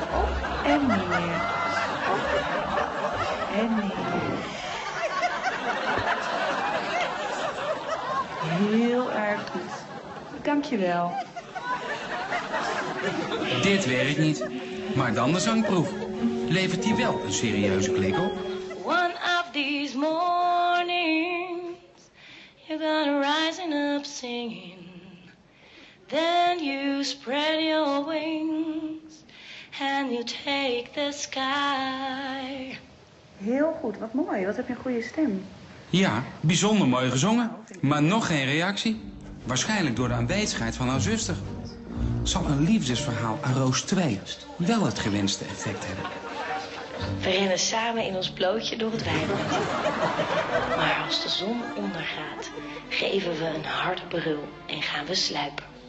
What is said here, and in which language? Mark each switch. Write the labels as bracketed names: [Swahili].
[Dutch] Op en neer. Op en neer. Heel erg goed. Dankjewel. Dit werkt niet, maar dan de zangproef. Levert die wel een serieuze klik op? [English] One of these mornings, you're gonna rise up singing. Then you spread your wings and you take the sky. [Dutch] Heel goed, wat mooi. Wat heb je een goede stem. Ja, bijzonder mooi gezongen, maar nog geen reactie. Waarschijnlijk door de aanwezigheid van haar zuster. Zal een liefdesverhaal aan Roos 2 wel het gewenste effect hebben? We rennen samen in ons blootje door het weiland. Maar als de zon ondergaat, geven we een harde brul en gaan we sluipen.